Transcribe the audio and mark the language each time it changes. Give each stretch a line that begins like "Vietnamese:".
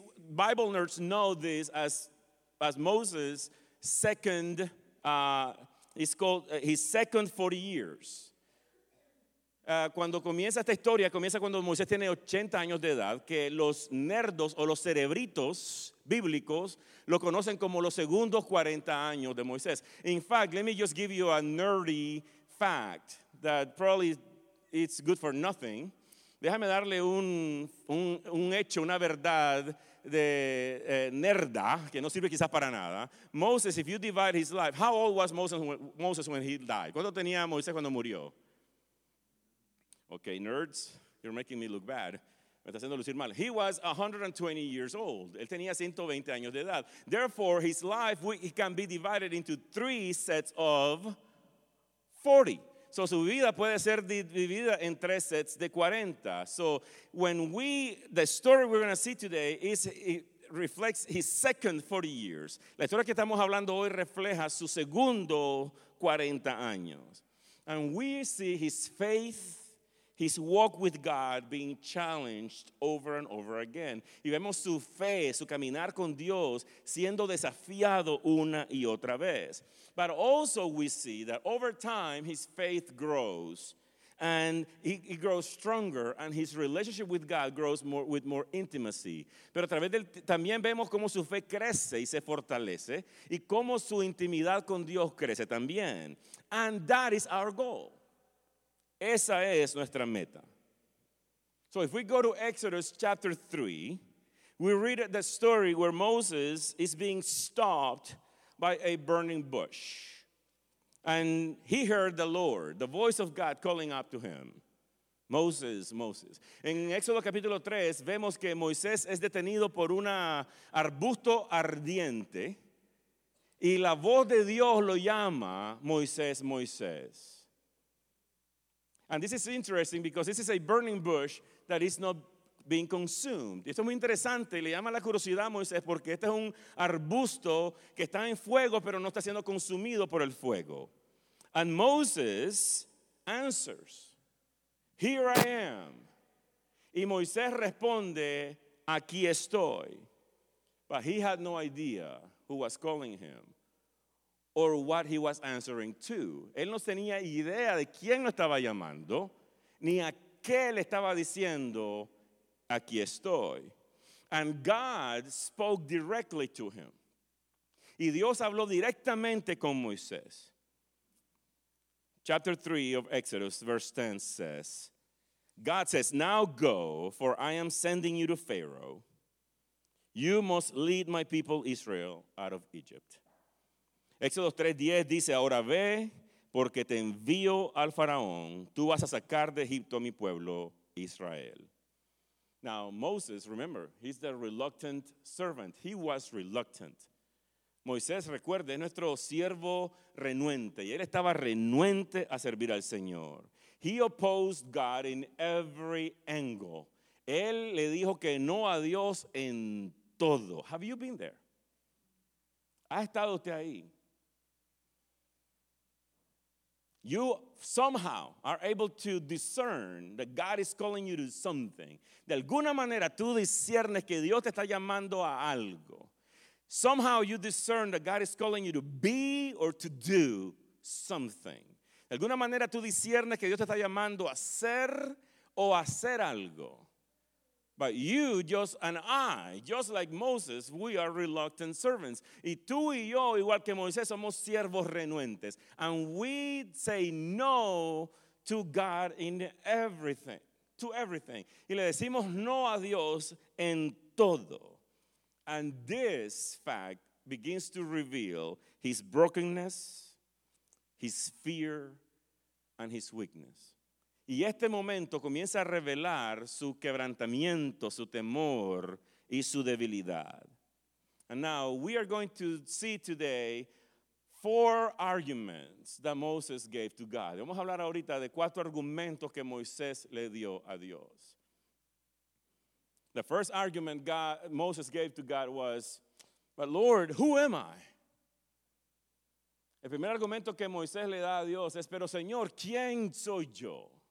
English: Bible nerds know this as Moses' second, it's called his second 40 years.
Spanish: Cuando comienza esta historia, comienza cuando Moisés tiene 80 años de edad, que los nerdos o los cerebritos bíblicos lo conocen como los segundos 40 años de Moisés.
English: In fact, let me just give you a nerdy fact that probably it's good for nothing.
Spanish: Déjame darle un hecho, una verdad de nerda, que no sirve quizás para nada.
English: Moses, if you divide his life, how old was Moses when he died?
Spanish: ¿Cuánto tenía Moisés cuando murió?
English: Okay, nerds, you're making me look bad.
Spanish: Me está haciendo lucir mal.
English: He was 120 years old.
Spanish: Él tenía 120 años de edad.
English: Therefore, his life can be divided into three sets of 40.
Spanish: So su vida puede ser dividida en tres sets de 40.
English: So when the story we're going to see today it reflects his second 40 years.
Spanish: La historia que estamos hablando hoy refleja su segundo 40 años.
English: And we see his faith, his walk with God being challenged over and over again.
Spanish: Y vemos su fe, su caminar con Dios, siendo desafiado una y otra vez.
English: But also we see that over time, his faith grows. And he grows stronger. And his relationship with God grows more with more intimacy.
Spanish: Pero a través del también vemos cómo su fe crece y se fortalece. Y cómo su intimidad con Dios crece también.
English: And that is our goal.
Spanish: Esa es nuestra meta.
English: So if we go to Exodus chapter 3, we read the story where Moses is being stopped by a burning bush. And he heard the Lord, the voice of God calling up to him. Moses, Moses.
Spanish: En Éxodo capítulo 3 vemos que Moisés es detenido por un arbusto ardiente y la voz de Dios lo llama Moisés, Moisés.
English: And this is interesting because this is a burning bush that is not being consumed.
Spanish: Esto es muy interesante, le llama la curiosidad a Moisés porque este es un arbusto que está en fuego pero no está siendo consumido por el fuego.
English: And Moses answers, "Here I am."
Spanish: Y Moisés responde, "Aquí estoy."
English: But he had no idea who was calling him or what he was answering to.
Spanish: Él no tenía idea de quién lo estaba llamando, ni a qué le estaba diciendo, "Aquí estoy."
English: And God spoke directly to him.
Spanish: Y Dios habló directamente con Moisés.
English: Chapter 3 of Exodus, verse 10 says, God says, "Now go, for I am sending you to Pharaoh. You must lead my people Israel out of Egypt."
Spanish: Éxodo 3:10 dice, "Ahora ve, porque te envío al faraón. Tú vas a sacar de Egipto a mi pueblo Israel."
English: Now, Moses, remember, he's the reluctant servant. He was reluctant.
Spanish: Moisés, recuerde, es nuestro siervo renuente. Y él estaba renuente a servir al Señor.
English: He opposed God in every angle.
Spanish: Él le dijo que no a Dios en todo.
English: Have you been there?
Spanish: ¿Ha estado usted ahí?
English: You somehow are able to discern that God is calling you to something.
Spanish: De alguna manera tú disciernes que Dios te está llamando a algo.
English: Somehow you discern that God is calling you to be or to do something.
Spanish: De alguna manera tú disciernes que Dios te está llamando a ser o a hacer algo.
English: But you just and I, just like Moses, we are reluctant servants.
Spanish: Y tú y yo, igual que Moisés, somos siervos renuentes.
English: And we say no to God in everything, to everything.
Spanish: Y le decimos no a Dios en todo.
English: And this fact begins to reveal his brokenness, his fear, and his weakness.
Spanish: Y este momento comienza a revelar su quebrantamiento, su temor y su debilidad.
English: And now we are going to see today 4 arguments that Moses gave to God.
Spanish: Vamos a hablar ahorita de 4 argumentos que Moisés le dio a Dios.
English: The first argument Moses gave to God was, "But Lord, who am I?"
Spanish: El primer argumento que Moisés le da a Dios es, "Pero Señor, ¿quién soy yo?"